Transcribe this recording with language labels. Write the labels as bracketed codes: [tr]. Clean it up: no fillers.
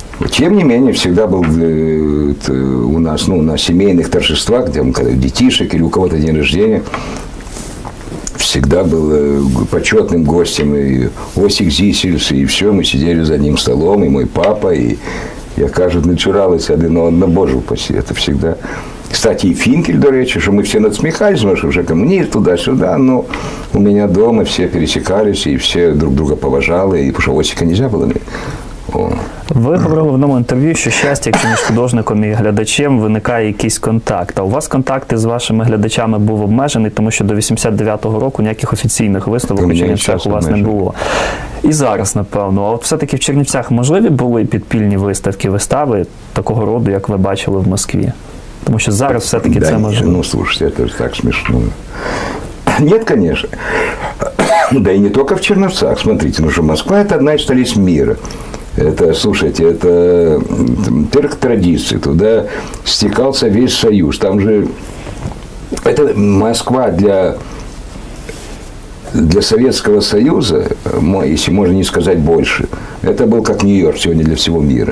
[ru] Тем не менее, всегда был у нас, на семейных торжествах, где у детишек или у кого-то день рождения, всегда был почетным гостем и Осик Зисельс, и все, мы сидели за одним столом, и мой папа, и я, кажется, натуралась один, но, боже упаси, это всегда. Кстати, и Финкель, до речи, что мы все надсмехались, потому что уже коммунист туда-сюда, но у меня дома все пересекались, и все друг друга поважали, и потому что Осика нельзя было. [uk] Ви говорили в одному інтерв'ю, що щастя, якщо між художником і глядачем виникає якийсь контакт. А у вас контакти з вашими глядачами був обмежений, тому що до 89-го року ніяких офіційних виставок у Чернівцях у вас не було. І зараз, напевно. А от все-таки в Чернівцях можливі були підпільні виставки, вистави такого роду, як ви бачили в Москві? Тому що зараз все-таки це можливо. Слушайте, це так смішно. Ні, звісно. Да і не тільки в Чернівцях. Смотрите, що Москва – це одна із столиць світу. [ru] Это, слушайте, это пирк традиции, туда стекался весь Союз. Там же, это Москва для Советского Союза, если можно не сказать больше, это был как Нью-Йорк сегодня для всего мира.